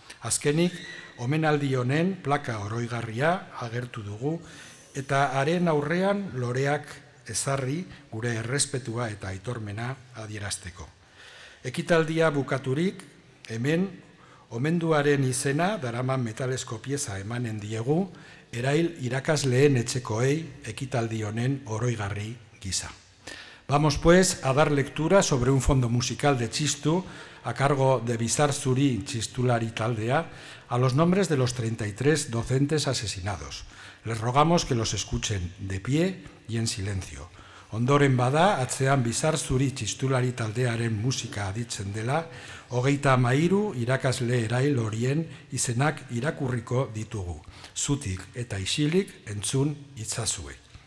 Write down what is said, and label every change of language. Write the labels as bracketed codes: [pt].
[eu] Azkenik, omenaldi honen plaka oroigarria agertu dugu eta haren aurrean loreak ezarri gure errespetua eta aitormena adierazteko. Ekitaldia bukaturik, hemen omenduaren izena daraman metalezko pieza emanen diegu erail irakasleen etxekoei ekitaldi honen oroigarri gisa. [es] Vamos pues a dar lectura sobre un fondo musical de Txistu a cargo de Bizar Zuri Txistulari taldea a los nombres de los 33 docentes asesinados. Les rogamos que los escuchen de pie y en silencio. [eu] Ondoren bada, atzean Bizar Zuri Txistulari taldearen musika aditzen dela, 33 irakasle erail horien izenak irakurriko ditugu. Zutik eta isilik entzun itzazue.